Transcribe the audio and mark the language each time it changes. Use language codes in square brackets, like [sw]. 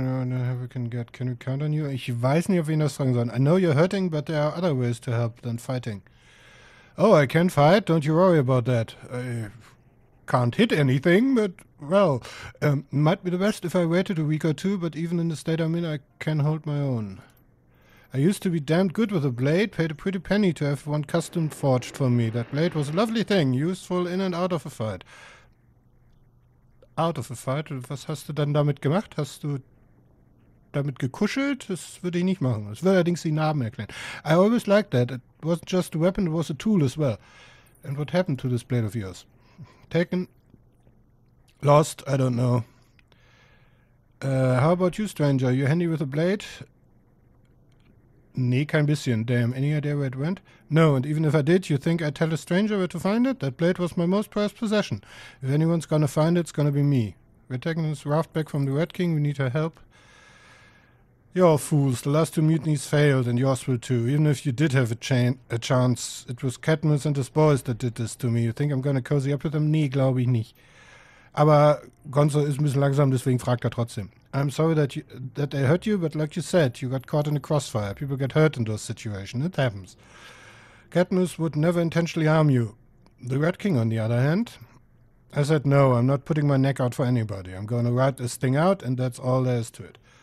[de] Ich weiß nicht, auf wen das fragen soll. [en] I know you're hurting, but there are other ways to help than fighting. Oh, I can fight. Don't you worry about that. can't hit anything, but, well, might be the best if I waited a week or two, but even in the state I'm in, I can hold my own. I used to be damned good with a blade, paid a pretty penny to have one custom forged for me. That blade was a lovely thing, useful in and out of a fight. Out of a fight? [de] Was hast du dann damit gemacht? Hast du damit gekuschelt? Das würde ich nicht machen. Das würde allerdings die Narben erklären. [en] I always liked that. It wasn't just a weapon, it was a tool as well. And what happened to this blade of yours? Taken? Lost? I don't know. How about you, stranger? You handy with a blade? [de] Nee, kein bisschen. [en] Damn, any idea where it went? No, and even if I did, you think I'd tell a stranger where to find it? That blade was my most prized possession. If anyone's gonna find it, it's gonna be me. We're taking this raft back from the Red King. We need her help. You're all fools. The last two mutinies failed, and yours will too. Even if you did have a chance, it was Cadmus and his boys that did this to me. You think I'm gonna cozy up with them? [de] Nee, glaube ich nicht. Aber Gonzo ist ein bisschen langsam, deswegen fragt er trotzdem. [en] I'm sorry that they hurt you, but like you said, you got caught in a crossfire. People get hurt in those situations. It happens. Cadmus would never intentionally harm you. The Red King, on the other hand. I said, no, I'm not putting my neck out for anybody. I'm going to ride this thing out, and that's all there is to it.